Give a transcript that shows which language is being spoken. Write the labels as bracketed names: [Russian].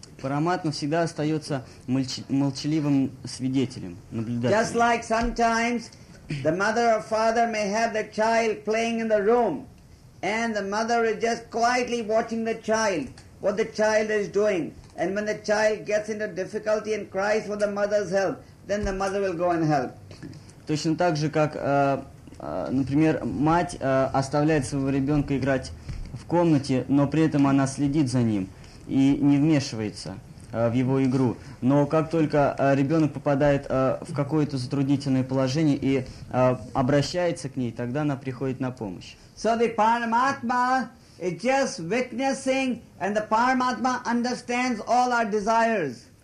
[Russian] Параматма всегда остается молчаливым свидетелем, наблюдателем. [English] Just like sometimes the mother or father may have the child playing in the room, and the mother is just quietly watching the child, what the child is doing. And when the child gets into difficulty and cries for the mother's help, then the mother will go and help. [Russian] Точно так же, как, например, мать оставляет своего ребенка играть в комнате, но при этом она следит за ним и не вмешивается в его игру. Но как только ребенок попадает в какое-то затруднительное положение и обращается к ней, тогда она приходит на помощь. [English] So the Paramatma is just witnessing, and the Paramatma understands all our desires.